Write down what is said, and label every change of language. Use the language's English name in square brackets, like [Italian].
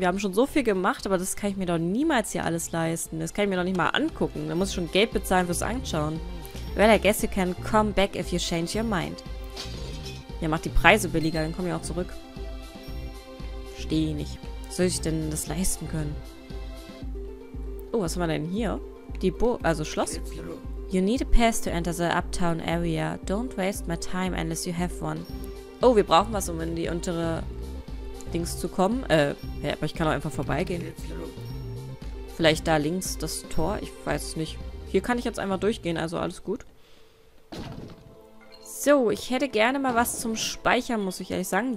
[German] Wir haben schon so viel gemacht, aber das kann ich mir doch niemals hier alles leisten. Das kann ich mir doch nicht mal angucken. Da muss ich schon Geld bezahlen fürs Anschauen. [English] Well, I guess you can come back if you change your mind. [German] Ja, mach die Preise billiger, dann komme ich auch zurück. Verstehe nicht. Wie soll ich denn das leisten können? Oh, was haben wir denn hier? Die Schloss? [English] You need a pass to enter the uptown area. Don't waste my time unless you have one. [German] Oh, wir brauchen was, um in die untere Dings zu kommen. Ja, aber ich kann auch einfach vorbeigehen. Vielleicht da links das Tor? Ich weiß es nicht. Hier kann ich jetzt einfach durchgehen, also alles gut. So, ich hätte gerne mal was zum Speichern, muss ich ehrlich sagen.